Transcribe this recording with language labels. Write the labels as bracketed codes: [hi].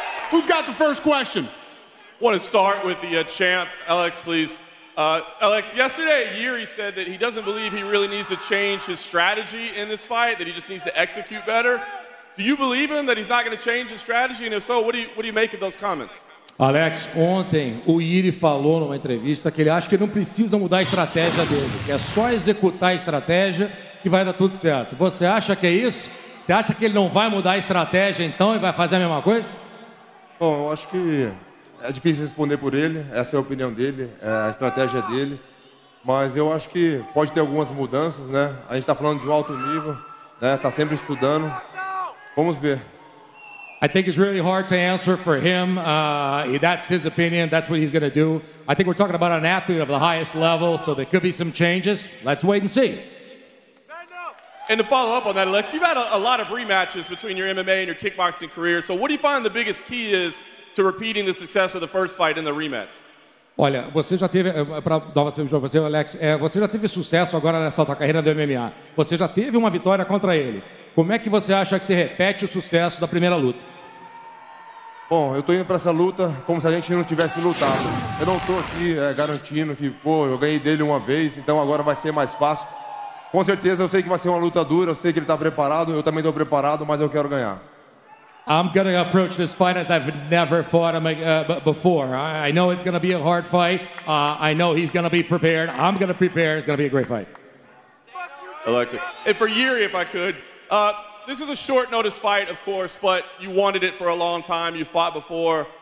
[en] Who's got the first question? I want to start with the champ, Alex, please. Alex, yesterday, Jiri said that he doesn't believe he really needs to change his strategy in this fight, that he just needs to execute better. Do you believe him that he's not going to change his strategy? And if so, what do you make of those comments? [pt] Alex, ontem o Jiri falou numa entrevista que ele acha que não precisa mudar a estratégia dele, que é só executar a estratégia que vai dar tudo certo. Você acha que é isso? Você acha que ele não vai mudar a estratégia então e vai fazer a mesma coisa? Bom, eu acho que é difícil responder por ele, essa é a opinião dele, é a estratégia dele, mas eu acho que pode ter algumas mudanças, né? A gente tá falando de um alto nível, né? Tá sempre estudando, vamos ver. [en] I think it's really hard to answer for him. That's his opinion. That's what he's going to do. I think we're talking about an athlete of the highest level, so there could be some changes. Let's wait and see. And to follow up on that, Alex, you've had a lot of rematches between your MMA and your kickboxing career. So what do you find the biggest key is to repeating the success of the first fight in the rematch? [pt] Olha, você já teve, para dar uma você, Alex, você já teve sucesso agora nessa sua carreira do MMA. Você já teve uma vitória contra ele. Como é que você acha que se repete o sucesso da primeira luta? Bom, eu tô indo para essa luta como se a gente não tivesse lutado. Eu não tô aqui garantindo que, pô, eu ganhei dele uma vez, então agora vai ser mais fácil. Com certeza, eu sei que vai ser uma luta dura, eu sei que ele tá preparado, eu também tô preparado, mas eu quero ganhar. [en] I'm going to approach this fight as I've never fought him before. I know it's going to be a hard fight. I know he's going to be prepared. I'm going to prepare. It's going to be a great fight. Alexa, and for Jiri, if I could, this is a short notice fight, of course, but you wanted it for a long time. You fought before.